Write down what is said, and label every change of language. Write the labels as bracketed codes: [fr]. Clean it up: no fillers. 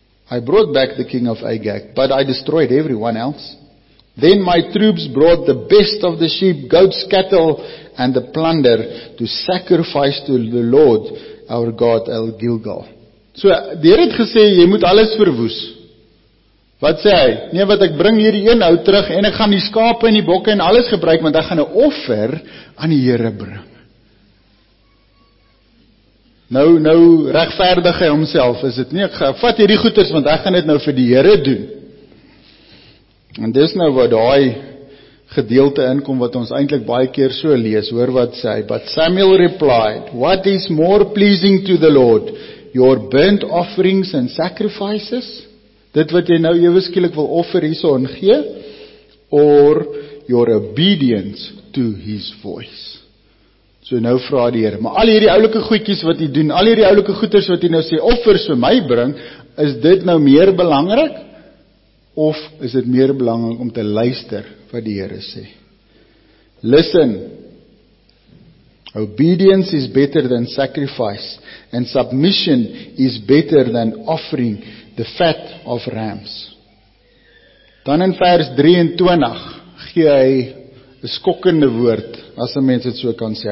[en] I brought back the king of Agag, but I destroyed everyone else. Then my troops brought the best of the sheep, goats, cattle, and the plunder to sacrifice to the Lord, our God, El Gilgal. [af] So, die Here het gesê, jy moet alles verwoes. Wat sê hy? Nee, wat ek bring hierdie een ou terug, en ek gaan die skape en die bokke en alles gebruik, want ek gaan 'n offer aan die Here bring. Nou regverdig hy homself, is dit nie? Ek vat hierdie goeders, want ek gaan dit nou vir die Here doen. En dis nou wat daai gedeelte inkom wat ons eintlik baie keer so lees. Hoor wat sê hy? [en] But Samuel replied, what is more pleasing to the Lord? Your burnt offerings and sacrifices? [af] Dit wat jy nou ewe skielik wil offer hierso en gee? [en] Or your obedience to his voice? [af] So nou vra die Here, maar al hierdie oulike goedjies wat jy doen, al hierdie oulike goeders wat jy nou sê offers vir my bring, is dit nou meer belangrik? Of is dit meer belangrik om te luister wat die Here sê? [en] Listen. Obedience is better than sacrifice, and submission is better than offering the fat of rams. [af] Dan in vers 23 gee hy 'n skokkende woord, as 'n mens dit so kan sê.